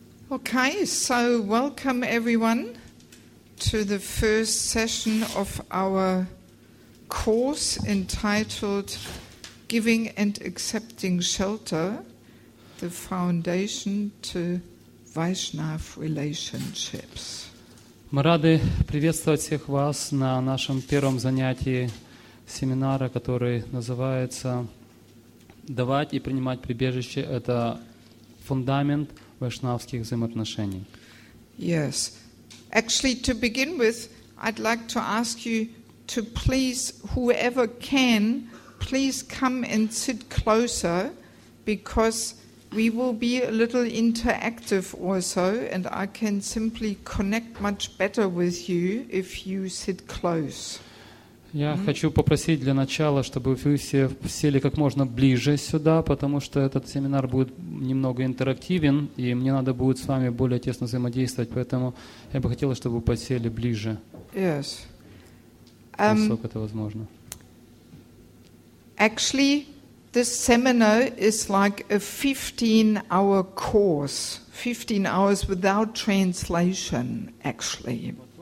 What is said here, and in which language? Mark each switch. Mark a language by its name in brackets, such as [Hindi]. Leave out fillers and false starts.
[English] Okay, so welcome everyone to the first session of our course entitled Giving and Accepting Shelter, the Foundation to Vaishnav Relationships. [Russian] Мы рады приветствовать всех вас на нашем первом занятии семинара, который называется «Давать и принимать прибежище» — это фундамент вайшнавских взаимоотношений. [English] Yes. Actually, to begin with, I'd like to ask you to please, whoever can, please come and sit closer, because we will be a little interactive also, and I can simply connect much better with you if you sit close. [Russian] Я хочу попросить для начала, чтобы вы все сели как можно ближе сюда, потому что этот семинар будет немного интерактивен, и мне надо будет с вами более тесно взаимодействовать, поэтому я бы хотела, чтобы вы подсели ближе. [English] Yes. [Russian] Насколько это возможно. [English] Actually, this seminar is like a 15-hour course, 15 hours without translation, actually.